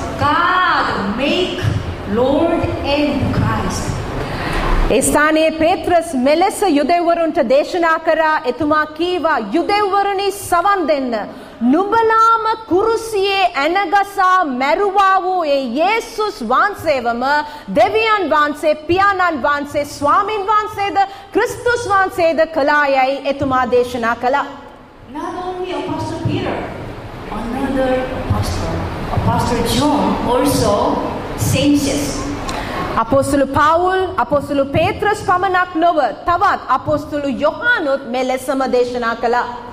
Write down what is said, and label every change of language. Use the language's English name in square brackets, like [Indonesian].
[English] God make Lord and Christ. [Sinhala] ඒ ස්ථානයේ පේත්‍රස් මෙලෙස යුදෙව්වරුන්ට දේශනා කරා එතුමා කීවා යුදෙව්වරුනි සවන් දෙන්න නුඹලාම කුරුසියේ ඇනගසා මැරුවා වූ ඒ යේසුස් වහන්සේවම දෙවියන් වහන්සේ පියාණන් වහන්සේ ස්වාමින් වහන්සේද ක්‍රිස්තුස් වහන්සේද කළා යයි එතුමා දේශනා කළා. [English] Not only Apostle Peter, another Apostle John also says yes. [Sinhala] අපොස්තුළු Paul අපොස්තුළු පේත්‍රස් පමණක් නොව තවත් අපොස්තුළු යොහානුත් මෙලෙසම දේශනා කළා.